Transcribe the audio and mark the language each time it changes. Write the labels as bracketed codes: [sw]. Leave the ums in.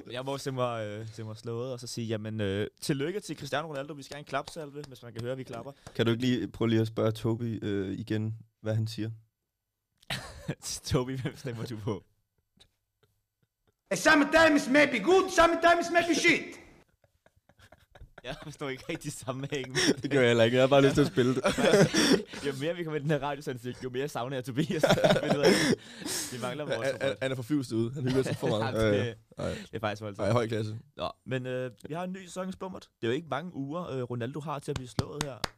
[da] men jeg må se mig, øh, se mig slået og så sige, jamen, øh, tillykke til Cristiano Ronaldo. Vi skal have en klapsalve, hvis man kan høre, at vi klapper. Kan du ikke lige prøve lige at spørge Tobi øh, igen, hvad han siger? Tobi, hvem stemmer du på? [en] Sometimes may be good, sometimes may be shit. [da] Jeg forstår ikke rigtig de sammenhængen. Det. det gør jeg heller ikke. Jeg har bare ja. lyst til at spille det. jo mere vi kommer ind i den her radiosendelse, jo mere savner jeg Tobias. vi mangler vores ja, robot. Han er for fyrst ude. Han hygger sig for meget. okay. Okay. Okay. det, er faktisk voldsomt. Ej, høj klasse. Nå, ja. men øh, vi har en ny sæson Det er jo ikke mange uger, øh, Ronaldo har til at blive slået her.